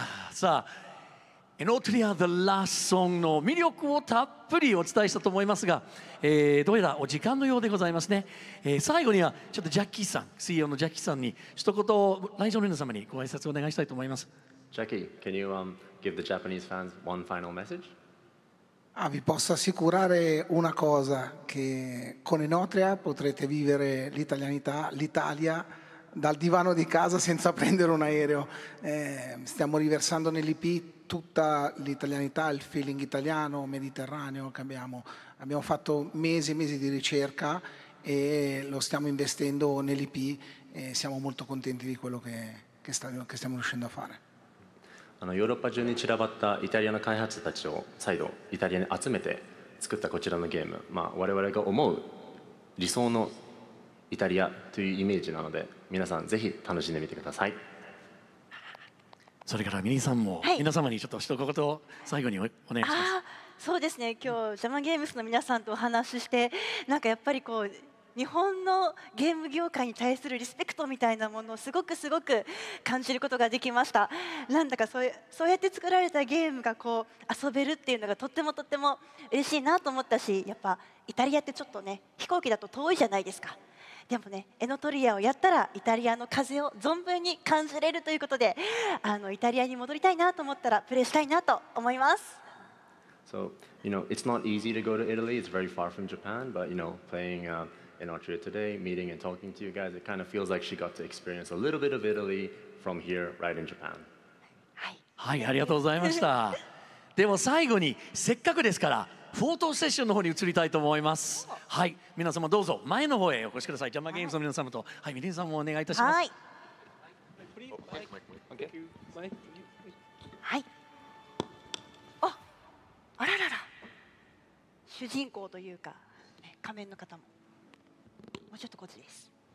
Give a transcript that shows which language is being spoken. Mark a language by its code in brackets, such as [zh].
[ja] さあ、エノートリアザラストソングの魅力をたっぷりお伝えしたと思いますが、どうやらお時間のようでございますね。最後にはちょっとジャッキーさん、CEO のジャッキーさんに一言を来場の皆様にご挨拶をお願いしたいと思います。ジャッキー、 [en] can you give the Japanese fans one final message? [it] Ah, vi posso assicurare una cosa che con Enotria potrete vivere l'italianità, l'Italia. Dal divano di casa senza prendere un aereo. Stiamo riversando nell'IP tutta l'italianità, il feeling italiano, mediterraneo che abbiamo. Abbiamo fatto mesi e mesi di ricerca e lo stiamo investendo nell'IP e siamo molto contenti di quello che stiamo riuscendo a fare. [ja] ヨーロッパ中に散らばったイタリアの開発たちを再度イタリアに集めて作ったこちらのゲーム。まあ、我々が思う理想のイタリアというイメージなので皆さんぜひ楽しんでみてください。それからミニさんも、はい、皆様にちょっと一言最後に お願いします。あ、そうですね、今日ジャマゲームスの皆さんとお話しして、なんかやっぱりこう日本のゲーム業界に対するリスペクトみたいなものをすごくすごく感じることができました。なんだかそうやって作られたゲームがこう遊べるっていうのがとってもとっても嬉しいなと思ったし、やっぱイタリアってちょっとね飛行機だと遠いじゃないですか。でもね、エノトリアをやったらイタリアの風を存分に感じれるということで、イタリアに戻りたいなと思ったらプレイしたいなと思います。 [en] So, you know, it's not easy to go to Italy. It's very far from Japan. But, you know, playing Enotria today, meeting and talking to you guys, it kind of feels like she got to experience a little bit of Italy from here, right in Japan. [ja] はい。はい、ありがとうございました。でも最後に、せっかくですから、フォートセッションの方に移りたいと思います。はい、皆様どうぞ前の方へお越しください。ジャマゲームズの皆様と、はい、ミリンさんもお願いいたします。はい、はい、あららら、主人公というか仮面の方ももうちょっとこっちです。